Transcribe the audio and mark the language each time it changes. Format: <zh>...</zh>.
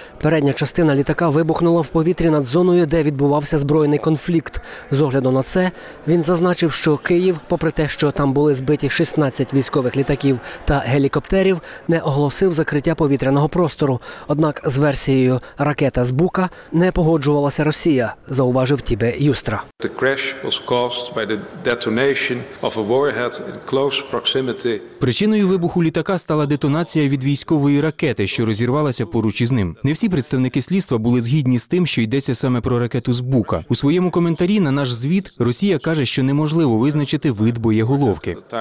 <uk>Передня частина літака вибухнула в повітрі над зоною, де відбувався збройний конфлікт. З огляду на це, він зазначив, що Київ, попри те, що там були збиті 16 військових літаків та гелікоптерів, не оголосив закриття повітряного простору. Однак з версією ракета з Бука не погоджувалася Росія, зауважив Тібе Юстра.</uk> <en>The crash was caused by the detonation of a warhead in close proximity.</en> <uk>Причиною вибуху літака стала детонація від військової ракети, що розірвалася поруч із ним. Не всі представники слідства були згідні з тим, що йдеться саме про ракету з Бука. У своєму коментарі на наш звіт Росія каже, що неможливо визначити вид боєголовки.</uk>